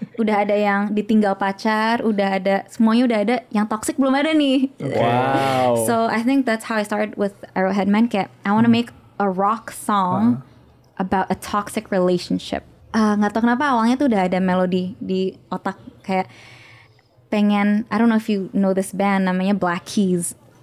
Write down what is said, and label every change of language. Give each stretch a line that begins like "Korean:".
Indonesian: Udah ada yang ditinggal pacar, udah ada, semuanya udah ada, yang toxic belum ada nih.
English: So I think that's how I started with Arrowhead Man. Kayak, I wanna make a rock song about a toxic relationship.
Indonesian: Gak tau kenapa awalnya tuh udah ada melodi di otak. Kayak pengen,
English: I don't know if you know this band, namanya Black Keys.